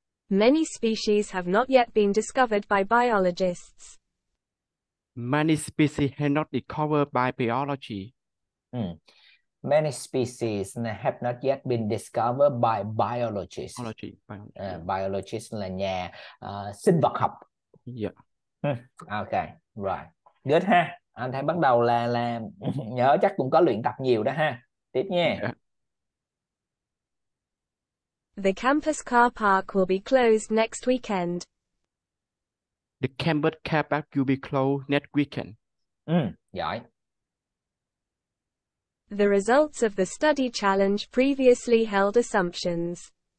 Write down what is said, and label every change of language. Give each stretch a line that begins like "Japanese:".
English: Many species have not yet been discovered by biologists. Many species have not discovered by biology. Many species have not yet been discovered by biologists. Biology, biology,
Vietnamese: Biologists là nhà sinh vật học.
English: yeah.
Vietnamese: Ok, rồi. Good ha. Anh thấy bắt đầu là nhớ chắc cũng có luyện tập nhiều đó ha. Tiếp nha.
English: Yeah. The campus car park will be closed next weekend. The campus car park will be closed next weekend.
Vietnamese: Ừ, giỏi.
English: The results of the study challenge previously held assumptions.